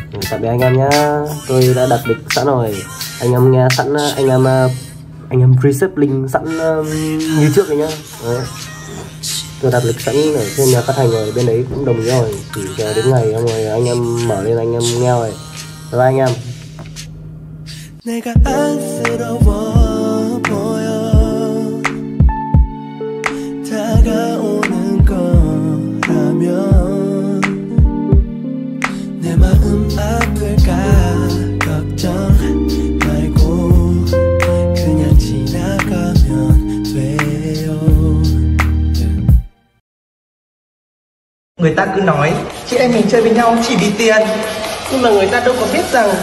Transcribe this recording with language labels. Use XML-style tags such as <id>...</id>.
<vi>Tạm biệt anh em nhá, tôi đã đặt lịch sẵn rồi, anh em nghe sẵn, anh em pre-ship link sẵn như trước rồi nhá. Đấy. Tôi đặt lịch sẵn ở trên nhà phát hành rồi, bên đấy cũng đồng ý rồi, chỉ chờ đến ngày xong rồi anh em mở lên anh em nghe rồi. Rồi anh em.</vi> <ko>내가 안쓰러워 보여 다가오는 거라면 내 마음 아플까 걱정 말고 그냥 지나가면 돼요.</ko> <vi>Người ta cứ nói chị em mình chơi với nhau chỉ vì tiền, nhưng mà người ta đâu có biết rằng</vi>